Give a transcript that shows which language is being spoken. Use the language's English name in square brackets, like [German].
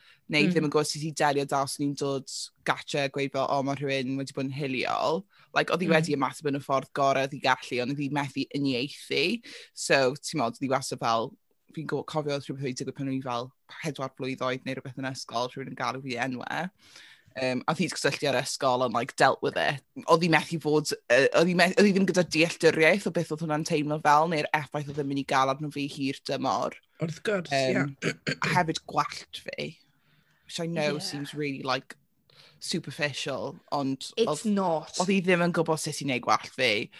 [Welsh] Neu ddim yn gwrs i ti delio da os ni'n dod gatre a gweud fel, o, mae rhywun wedi bod yn hiliol. Like, oedd hi wedi ymateb yn y ffordd gorau oedd hi gallu, ond oedd hi methu uniaethu. So, ti'n modd, oedd hi wastad fel, fi'n cofio oedd rhywbeth wedi digwydd pan o'n i fel pedwar blwyddoedd neu rhywbeth yn ysgol, rhywun yn galw fi enwe. A oedd hi'n cysylltu ar ysgol and, like, [English] dealt with it. [Welsh] Oedd hi methu fod, oedd hi ddim gyda dealltwriaeth o beth oedd hwnna'n teimlo fel, neu'r effaith oedd yn mynd i gael arno fi hir dymor. Wrth gwrs, ie. A hefyd gwallt fi. [English] Which I know seems really, like, superficial, ond... It's not. [Welsh] Oedd hi ddim yn gwybod sut i wneud gwallt fi.